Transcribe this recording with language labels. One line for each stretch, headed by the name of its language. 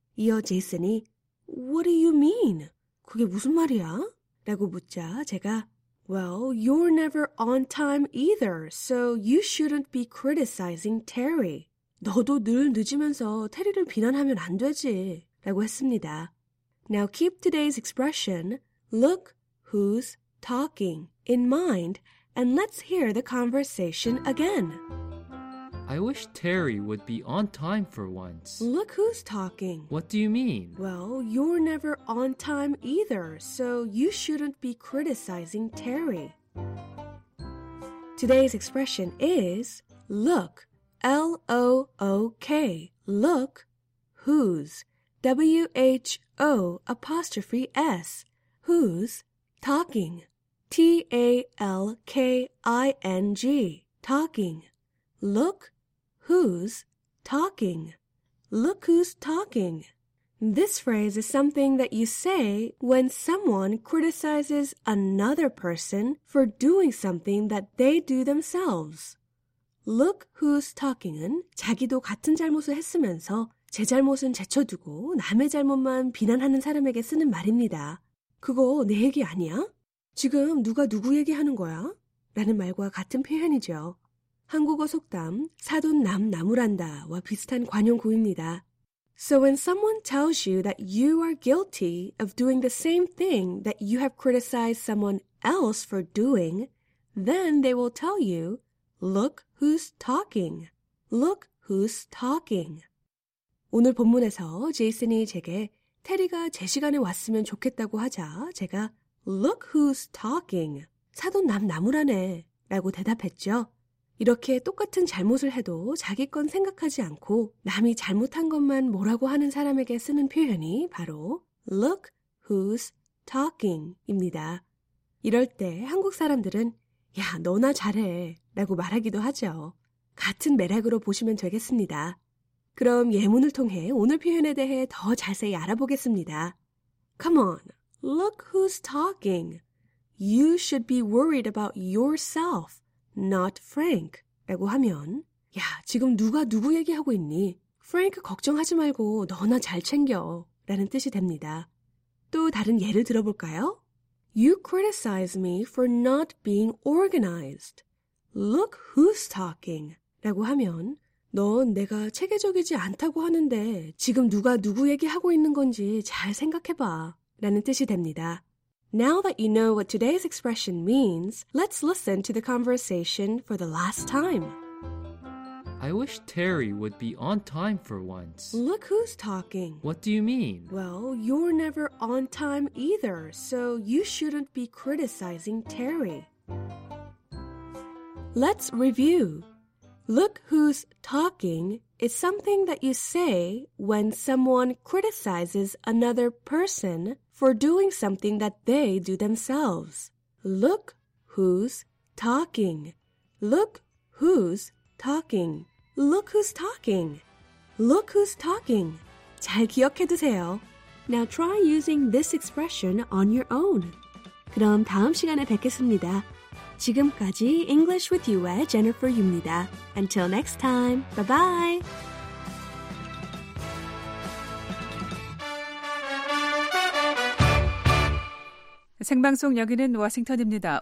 Korean: 이어 제이슨이
English: What do you mean?
Korean: 그게 무슨 말이야? 라고 묻자 제가
English: Well, you're never on time either, so you shouldn't be criticizing Terry.
Korean: 너도 늘 늦으면서 테리를 비난하면 안 되지 라고 했습니다.
English: Now keep today's expression Look who's talking. In mind, and let's hear the conversation again. I wish Terry would be on time for once. Look who's talking. What do you mean? Well, you're never on time either, so you shouldn't be criticizing Terry. Today's expression is look, L-O-O-K, look, who's, W-H-O apostrophe S, who's talking. T-A-L-K-I-N-G, talking. Look who's talking. Look who's talking. This phrase is something that you say when someone criticizes another person for doing something that they do themselves. Look who's talking은
Korean: 자기도 같은 잘못을 했으면서 제 잘못은 제쳐두고 남의 잘못만 비난하는 사람에게 쓰는 말입니다. 그거 내 얘기 아니야? 지금 누가 누구 얘기하는 거야? 라는 말과 같은 표현이죠. 한국어 속담 사돈 남 나무란다와 비슷한 관용구입니다.
English: So when someone tells you that you are guilty of doing the same thing that you have criticized someone else for doing, then they will tell you, look who's talking. Look who's talking.
Korean: 오늘 본문에서 제이슨이 제게 테리가 제 시간에 왔으면 좋겠다고 하자 제가 Look who's talking. 사돈 남 나무라네 라고 대답했죠. 이렇게 똑같은 잘못을 해도 자기 건 생각하지 않고 남이 잘못한 것만 뭐라고 하는 사람에게 쓰는 표현이 바로
English: Look who's talking
Korean: 입니다. 이럴 때 한국 사람들은 야 너나 잘해 라고 말하기도 하죠. 같은 매력으로 보시면 되겠습니다. 그럼 예문을 통해 오늘 표현에 대해 더 자세히 알아보겠습니다.
English: Come on, look who's talking. You should be worried about yourself, not Frank.
Korean: 라고 하면, 야, 지금 누가 누구 얘기하고 있니? Frank 걱정하지 말고 너나 잘 챙겨. 라는 뜻이 됩니다. 또 다른 예를 들어볼까요?
English: You criticize me for not being organized. Look who's talking.
Korean: 라고 하면, 넌 내가 체계적이지 않다고 하는데 지금 누가 누구 얘기하고 있는 건지 잘 생각해봐 라는 뜻이 됩니다.
English: Now that you know what today's expression means, let's listen to the conversation for the last time. I wish Terry would be on time for once. Look who's talking. What do you mean? Well, you're never on time either, so you shouldn't be criticizing Terry. Let's review. Look who's talking is something that you say when someone criticizes another person for doing something that they do themselves. Look who's talking. Look who's talking. Look who's talking. Look who's talking.
Korean: 잘 기억해 두세요.
English: Now try using this expression on your own.
Korean: 그럼 다음 시간에 뵙겠습니다. 지금까지 English with You의 Jennifer 유입니다.
English: Until next time, bye-bye!
Korean: Sengbangsong 여기는 워싱턴입니다.